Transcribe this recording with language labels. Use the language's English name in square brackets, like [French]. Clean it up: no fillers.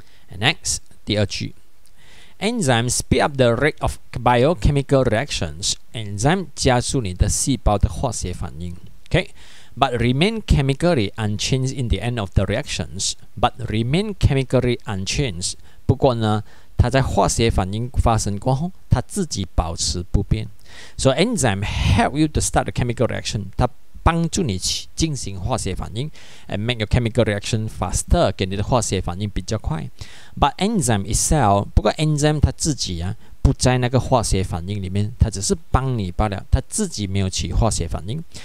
[English] And next, [Chinese] 第二句, [English] enzymes speed up the rate of biochemical reactions. [Chinese] Enzyme 加速你的细胞的化学反应, okay? [English] But remain chemically unchanged in the end of the reactions. But remain chemically unchanged. [Chinese] 不过呢, 它在化学反应发生过后, 它自己保持不变. [English] So enzyme help you to start the chemical reaction. [Chinese] 它帮助你进行化学反应, [English] and make your chemical reaction faster, [Chinese] 给你的化学反应比较快. [English] But enzyme itself, [Chinese] 不过 enzyme 它自己啊, 不在那个化学反应里面, 它只是帮你罢了, 它自己没有起化学反应.